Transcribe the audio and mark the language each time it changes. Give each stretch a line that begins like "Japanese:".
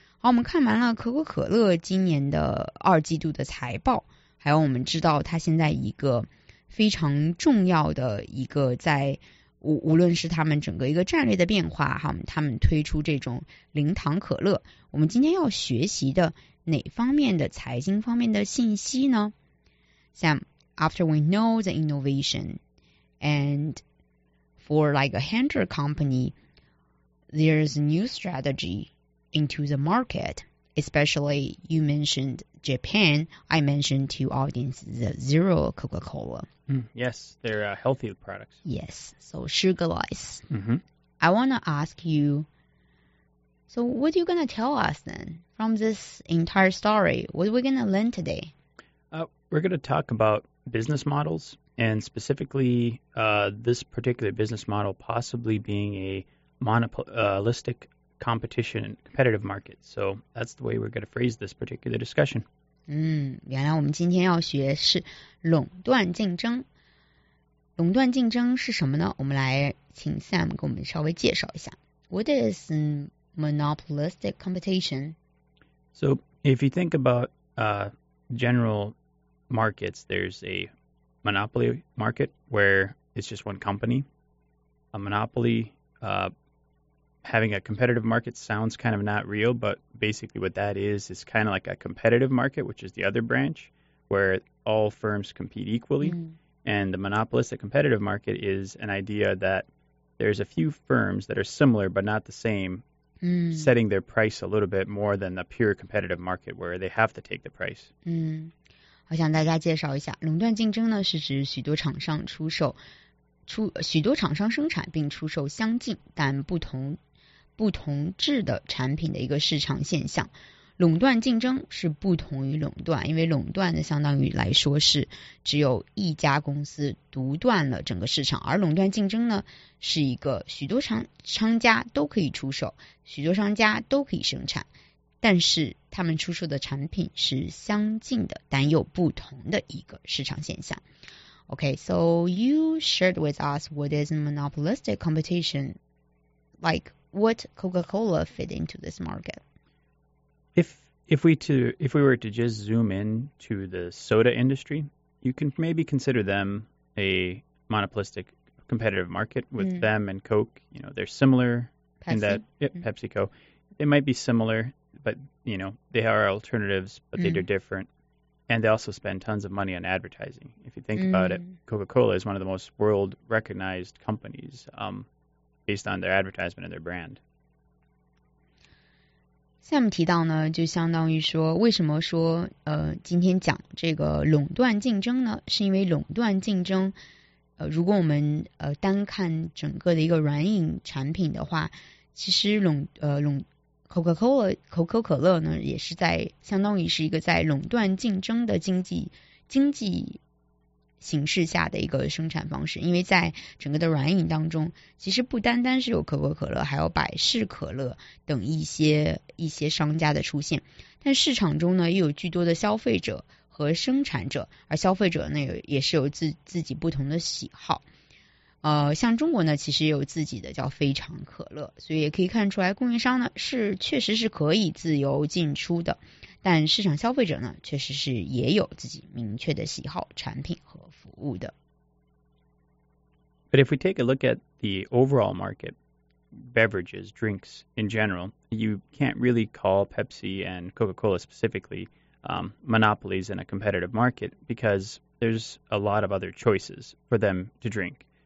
Chinese: 好，我们看完了可口可乐今年的二季度的财报，还有我们知道它现在一个非常重要的一个在无论是他们整个一个战略的变化，还有他们推出这种零糖可乐，我们今天要学习的哪方面的财经方面的信息呢？
English: Sam, after we know the innovation and for like a hundred company, there's a new strategyinto the market, especially you mentioned Japan. I mentioned to audience the zero Coca-Cola. Yes, they're healthy products. Yes, so sugarless. Mm-hmm. I want to ask you, so what are you going to tell us then from this entire story? What are we going to learn today? We're going to talk about business models, and specifically this particular business model possibly being a monopolistic competition, competitive market. So that's the way we're going to phrase this particular discussion.
Chinese: 原来我们今天要学是垄断竞争。垄断竞争是什么呢？我们来请 Sam 给我们稍微介绍一下。
English: What is monopolistic competition? So if you think about general markets, there's a monopoly market where it's just one company. A monopoly, having a competitive market sounds kind of not real, but basically what that is kind of like a competitive market, which is the other branch, where all firms compete equally. Mm. And the monopolistic competitive market is an idea that there's a few firms that are similar but not the same, setting their price a little bit more than the pure competitive market where they have to take the price.
Chinese: 我向大家介绍一下，垄断竞争呢，是指许多厂商出售，许多厂商生产并出售相近但不同质的产品的一个市场现象。垄断竞争是不同于垄断，因为垄断的相当于来说是只有一家公司独断了整个市场，而垄断竞争呢，是一个许多商家都可以出售，许多商家都可以生产，但是他们出售的产品是相近的但又不同的一个市场现象。
English: OK, so you shared with us what is monopolistic competition, like what Coca-Cola fit into this market? If we were to just zoom in to the soda industry, you can maybe consider them a monopolistic competitive market with them and Coke. You know, they're similar Pepsi. In that PepsiCo. They might be similar, but, you know, they are alternatives, but they're different. And they also spend tons of money on advertising. If you think about it, Coca-Cola is one of the most world-recognized companies based on their advertisement and their brand.
Chinese: Sam 提到呢，就相当于说，为什么说今天讲这个垄断竞争呢？是因为垄断竞争，如果我们单看整个的一个软饮产品的话，其实可口可乐呢，也是在相当于是一个在垄断竞争的经济形式下的一个生产方式，因为在整个的软饮当中，其实不单单是有可口可乐，还有百事可乐等一些商家的出现，但市场中呢，又有巨多的消费者和生产者，而消费者呢，也是有自己不同的喜好。像中国呢，其实也有自己的叫非常可乐，所以也可以看出来，供应商呢是确实是可以自由进出的，但市场消费者呢，确实是也有自己明确的喜好、产品和服务的。
English: But if we take a look at the overall market, beverages, drinks in general, you can't really call Pepsi and Coca-Cola specifically monopolies in a competitive market because there's a lot of other choices for them to drink.